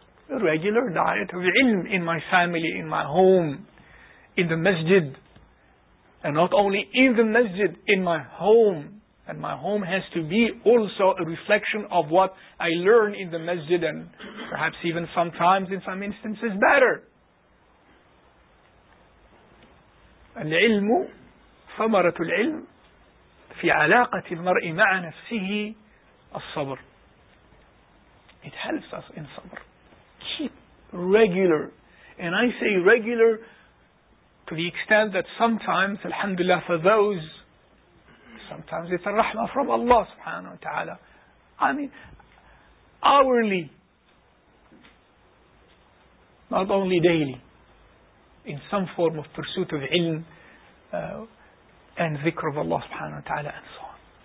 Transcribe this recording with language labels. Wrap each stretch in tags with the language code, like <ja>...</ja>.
<en>A regular diet of ilm in my family, in my home, in the masjid. And not only in the masjid, in my home. And my home has to be also a reflection of what I learn in the masjid, and perhaps even sometimes, in some instances, better.</en> <ar>العلم ثمرة العلم في علاقة المرء مع نفسه الصبر.</ar> <en>It helps us in sabr. Keep regular. And I say regular to the extent that sometimes, alhamdulillah for those, sometimes it's a rahmah from Allah subhanahu wa ta'ala. I mean, hourly, not only daily, in some form of pursuit of ilm, and dhikr of Allah subhanahu wa ta'ala, and so on.</en>